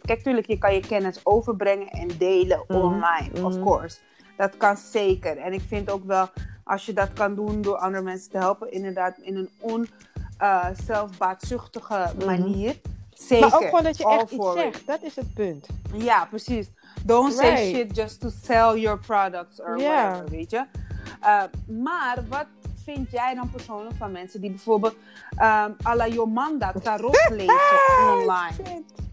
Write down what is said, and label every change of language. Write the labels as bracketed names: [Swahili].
[Dutch] Kijk, tuurlijk, je kan je kennis overbrengen en delen online, of course. Dat kan zeker. En ik vind ook wel, als je dat kan doen door andere mensen te helpen, inderdaad, in een onzelfbaatzuchtige manier. Zeker. Maar ook gewoon dat je echt iets zegt. Dat is het punt. Ja, precies. [English] Don't say shit just to sell your products or whatever, [Dutch] weet je. Maar wat vind jij dan persoonlijk van mensen die bijvoorbeeld à la Yomanda tarot lezen online?